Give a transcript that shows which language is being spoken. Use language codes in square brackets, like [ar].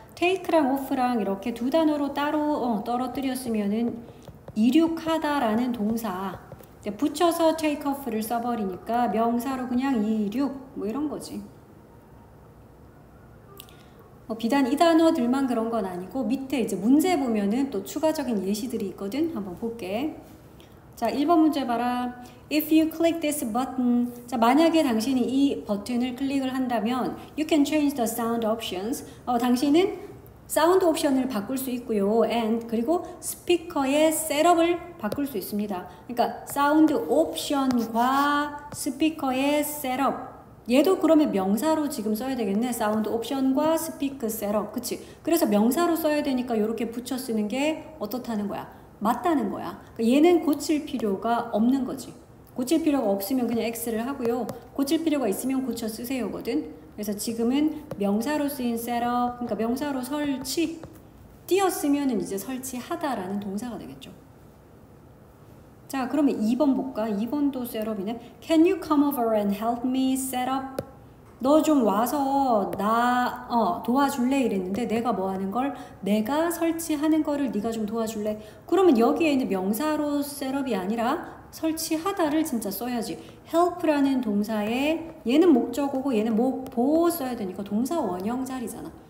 [ko] take랑 off랑 이렇게 두 단어로 따로 떨어뜨렸으면은 이륙하다라는 동사. 붙여서 take off를 써버리니까 명사로 그냥 이륙 뭐 이런 거지. 뭐 비단 이 단어들만 그런 건 아니고 밑에 이제 문제 보면은 또 추가적인 예시들이 있거든. 한번 볼게. 자, 1번 문제 봐라. [en] If you click this button, [ko] 자, 만약에 당신이 이 버튼을 클릭을 한다면 [en] you can change the sound options. [ko] 당신은 사운드 옵션을 바꿀 수 있고요. And 그리고 스피커의 셋업을 바꿀 수 있습니다. 그러니까 사운드 옵션과 스피커의 셋업. 얘도 그러면 명사로 지금 써야 되겠네. 사운드 옵션과 스피커 셋업. 그치? 그래서 명사로 써야 되니까 이렇게 붙여 쓰는 게 어떻다는 거야? 맞다는 거야. 얘는 고칠 필요가 없는 거지. 고칠 필요가 없으면 그냥 X를 하고요. 고칠 필요가 있으면 고쳐 쓰세요거든. 그래서 지금은 명사로 쓰인 셋업, 그러니까 명사로 설치, 띄었으면 이제 설치하다라는 동사가 되겠죠. 자, 그러면 2번 볼까? 2번도 셋업이네. [en] Can you come over and help me set up? [ko] 너좀 와서 나 도와줄래? 이랬는데 내가 뭐 하는 걸? 내가 설치하는 거를 네가 좀 도와줄래? 그러면 여기에는 명사로 셋업이 아니라 설치하다를 진짜 써야지. help라는 동사에 얘는 목적어고 얘는 보호 써야 되니까 동사 원형 자리잖아.